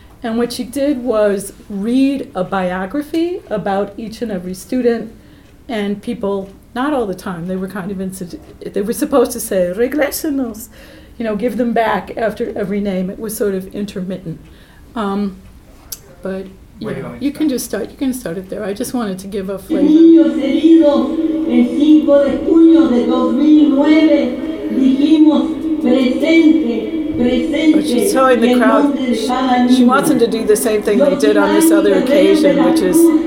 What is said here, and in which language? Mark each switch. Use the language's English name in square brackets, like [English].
[English] And what she did was read a biography about each and every student and people. Not all the time. They were kind of they were supposed to say [Spanish] regresenos, [English] you know, give them back after every name. It was sort of intermittent. But yeah, you can just start. You can start it there. I just wanted to give a flavor. [Spanish] Niños heridos el 5 de junio de 2009 dijimos presente. [English] She's telling the crowd. She wants them to do the same thing they did on this other occasion, which is.